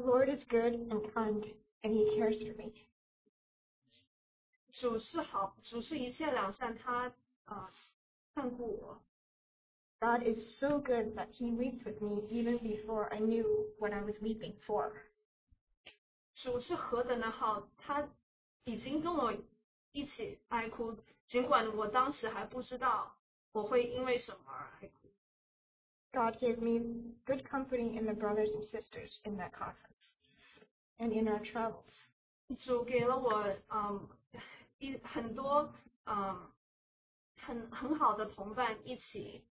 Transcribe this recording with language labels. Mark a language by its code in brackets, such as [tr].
[en] Lord is good and kind, and he cares for me. [zh] 主是好,主是一切良善,他看顾我。 [en] God is so good that he weeped with me even before I knew what I was weeping for. [zh] 主是何等的好,他已经跟我一起哀哭,尽管我当时还不知道我会因为什么而哀哭。 [en] God gave me good company in the brothers and sisters in that conference and in our travels. [zh] 主给了我很多很好的同伴一起